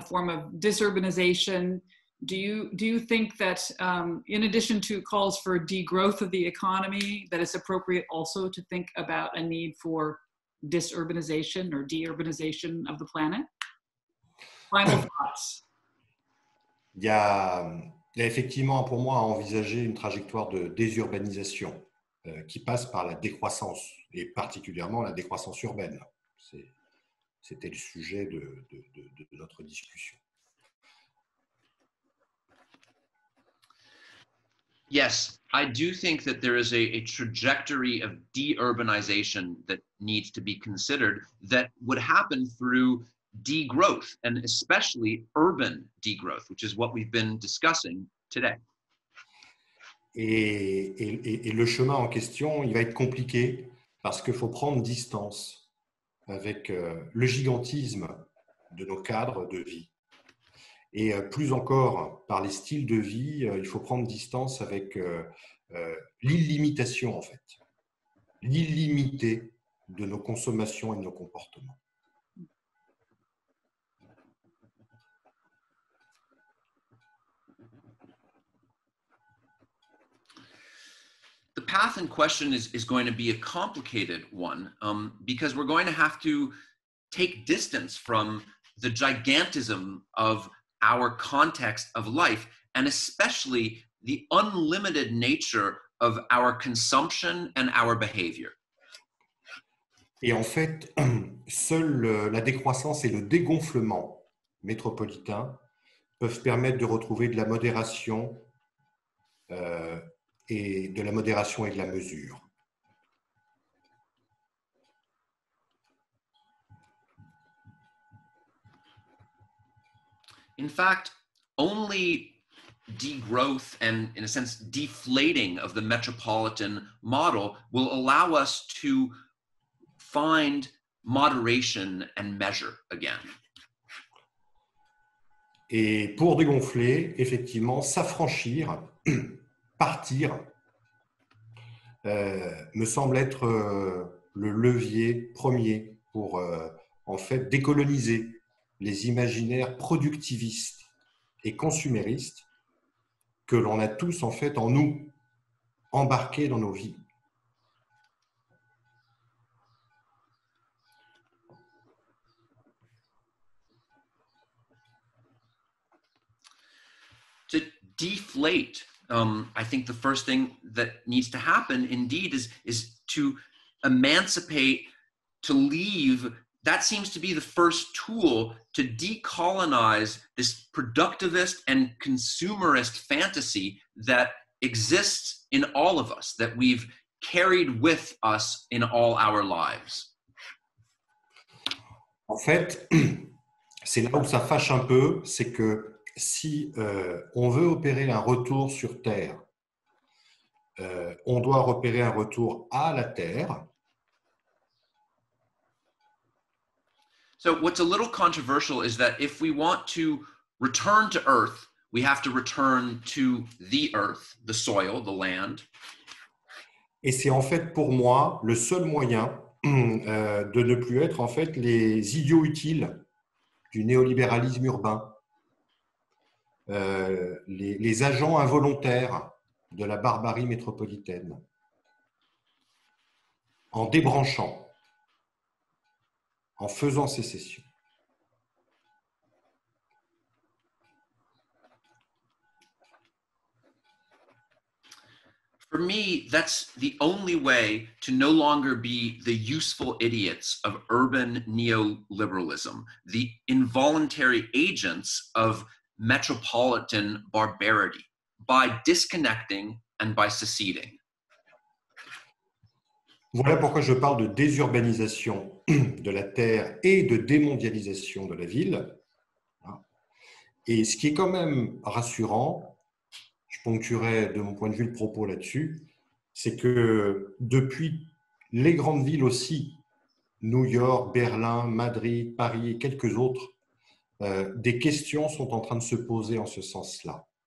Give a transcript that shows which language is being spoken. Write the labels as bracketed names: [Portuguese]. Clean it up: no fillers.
[English] a form of disurbanization? Do you think that in addition to calls for degrowth of the economy, that it's appropriate also to think about a need for disurbanization or deurbanization of the planet? Final thoughts. [French] Il y a effectivement pour moi à envisager une trajectoire de désurbanisation qui passe par la décroissance et particulièrement la décroissance urbaine. C'était le sujet de notre discussion. [English] Yes, I do think that there is a trajectory of deurbanization that needs to be considered that would happen through degrowth and especially urban degrowth, which is what we've been discussing today. [French] Et le chemin en question, il va être compliqué parce qu'il faut prendre distance avec le gigantisme de nos cadres de vie. Et plus encore, par les styles de vie, il faut prendre distance avec l'illimitation, en fait. L'illimité de nos consommations et de nos comportements. [English] The path in question is going to be a complicated one, because we're going to have to take distance from the gigantism of our context of life, and especially the unlimited nature of our consumption and our behavior. [French] Et en fait, seule la décroissance et le dégonflement métropolitain peuvent permettre de retrouver de la modération et de la modération et de la mesure. [English] In fact, only degrowth and, in a sense, deflating of the metropolitan model will allow us to find moderation and measure again. [French] Et pour dégonfler, effectivement, s'affranchir, partir, me semble être le levier premier pour, en fait, décoloniser les imaginaires productivistes et consuméristes que l'on a tous en fait en nous, embarqués dans nos vies. [English] To deflate, I think the first thing that needs to happen indeed is to emancipate, to leave. That seems to be the first tool to decolonize this productivist and consumerist fantasy that exists in all of us, that we've carried with us in all our lives. [French] En fait, c'est là où ça fâche un peu, c'est que si on veut opérer un retour sur Terre, on doit opérer un retour à la Terre. [English] So what's a little controversial is that if we want to return to Earth, we have to return to the Earth, the soil, the land. [French] Et c'est en fait pour moi le seul moyen de ne plus être en fait les idiots utiles du néolibéralisme urbain, les agents involontaires de la barbarie métropolitaine, en débranchant. En faisant sécession. [English] For me, that's the only way to no longer be the useful idiots of urban neoliberalism, the involuntary agents of metropolitan barbarity, by disconnecting and by seceding. [French] Voilà pourquoi je parle de désurbanisation de la terre et de démondialisation de la ville. Et ce qui est quand même rassurant, je ponctuerai de mon point de vue le propos là-dessus, c'est que depuis les grandes villes aussi, New York, Berlin, Madrid, Paris et quelques autres, des questions sont en train de se poser en ce sens-là.